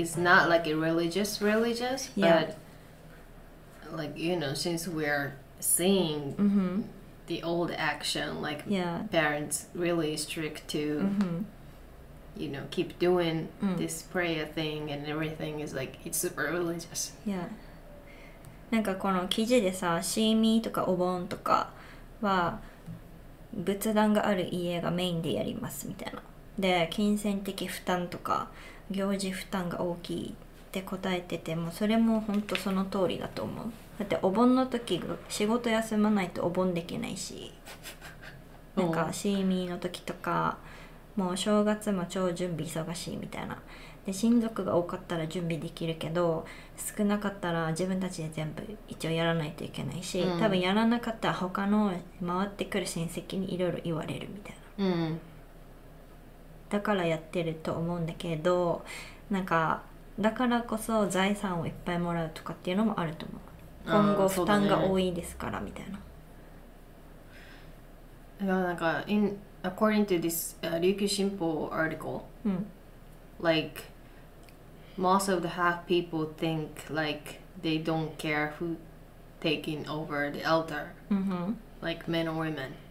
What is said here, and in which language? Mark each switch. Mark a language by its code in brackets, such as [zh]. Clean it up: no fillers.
[en] It's not like a religious, but like, you know, since we're seeing the old action, like parents really strict to, you know, keep doing this prayer thing and everything is like, it's super religious. Yeah. [ja] なんかこの記事でさ、シーミーとかお盆とかは仏壇がある家がメインでやりますみたいな、で金銭的負担とか行事負担が大きいって答えてて、もうそれも本当その通りだと思う。だってお盆の時仕事休まないとお盆できないし、なんかシーミーの時とかもう正月も超準備忙しいみたいな、で親族が多かったら準備できるけど少なかったら自分たちで全部一応やらないといけないし、多分やらなかったら他の回ってくる親戚にいろいろ言われるみたいな、だからやってると思うんだけど、なんかだからこそ財産をいっぱいもらうとかっていうのもあると思う、今後負担が多いですからみたいな。なんか [en] in according to this 琉球新報 article、like most of the half people think like they don't care who taking over the altar, like men or women.